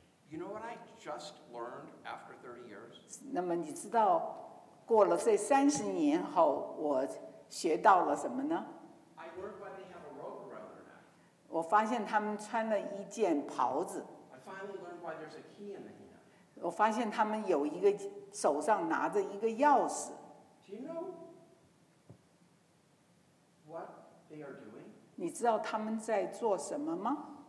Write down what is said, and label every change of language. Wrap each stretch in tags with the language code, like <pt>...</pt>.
<en>You know what I just learned after 30 years?</en> <zh>那么你知道过了这三十年后我学到了什么呢？</zh> <en>I learned why they have a robe around their neck.</en> <zh>我发现他们穿了一件袍子。</zh> <en>I finally learned why there's a key in the hand.</en> <zh>我发现他们有一个手上拿着一个钥匙。</zh> <en>Do you know what they are doing?</en> <zh>你知道他们在做什么吗？</zh>